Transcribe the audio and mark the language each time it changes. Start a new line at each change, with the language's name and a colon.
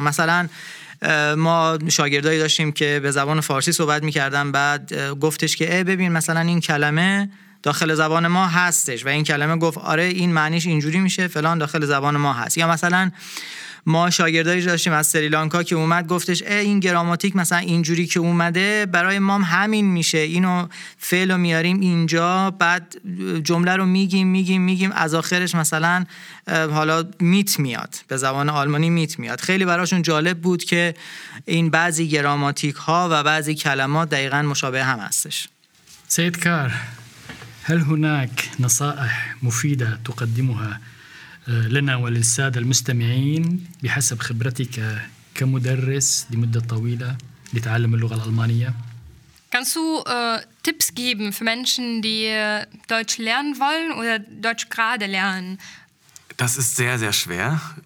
Persian: مثلا ما شاگردایی داشتیم که به زبان فارسی صحبت میکردن، بعد گفتش که ببین مثلا این کلمه داخل زبان ما هستش، و این کلمه گفت آره این معنیش اینجوری میشه فلان داخل زبان ما هست. یا مثلا ما شاگردایی داشتیم از سریلانکا که اومد گفتش این گراماتیک مثلا اینجوری که اومده برای ما همین میشه، اینو فعل رو میاریم اینجا، بعد جمله رو میگیم از آخرش مثلا حالا میت میاد، به زبان آلمانی میت میاد. خیلی براشون جالب بود که این بعضی گراماتیک ها و بعضی کلمات دقیقا مشابه هم هستش.
Arabic: سید کار، هل هناك نصائح مفیدة تقدمها لنا وللسادة المستمعين بحسب خبرتك كمدرس لمدة طويلة لتعلم اللغة الألمانية؟
German: Kannst du Tipps geben für Menschen, die Deutsch lernen wollen oder Deutsch gerade lernen? Das ist sehr, sehr schwer.